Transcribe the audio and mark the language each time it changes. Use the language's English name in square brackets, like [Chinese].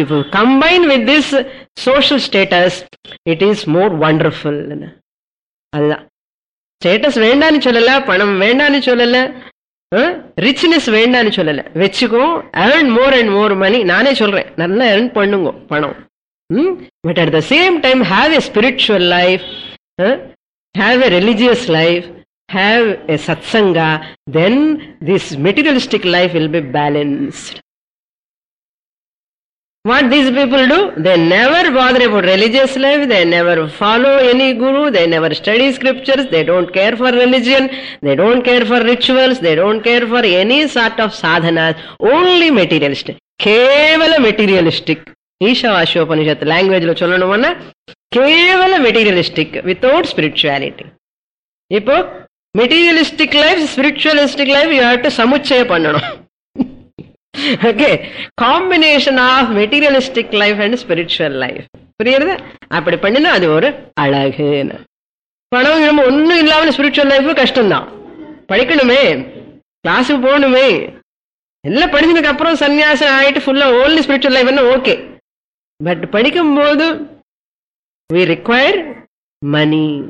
[English] If you combine with this social status, it is more wonderful. [Tamil] Alla status venda nu solla, panam venda nu solla, richness வேண்டாம்னு சொல்லல. வச்சுக்கோ, [English] earn more and more money. [Tamil] நானே சொல்றேன், நல்லா earn பண்ணுங்க பணம். [English] But at the same time have a spiritual life, have a religious life, have a satsang, then this materialistic life will be balanced. What these people do, they never bother about religious life, they never follow any guru, they never study scriptures, they don't care for religion, they don't care for rituals, they don't care for any sort of sadhana, only materialistic, கேவல materialistic. Ishavasyopanishad லாங்குவேஜ்ல சொல்லணும்னா கேவல materialistic without spirituality. இப்போ materialistic life, spiritualistic life, you have to [Tamil] சமுச்சய பண்ணணும். [English] Okay, combination of materialistic life and spiritual life. [Tamil] புரியுது? அப்படி பண்ணினா அது ஒரு அழகு. பணம் ஒன்னும் இல்லாம ஸ்பிரிச்சுவல் லைஃப் கஷ்டம்தான். படிக்கணுமே, கிளாஸுக்கு போகணுமே, எல்லாம் படிச்சதுக்கு அப்புறம் சன்னியாசம் ஆயிட்டு ஃபுல்லா [English] only spiritual life [Tamil] என்ன, ஓகே. [English] but [Tamil] படிக்கும்போது [English] we require money.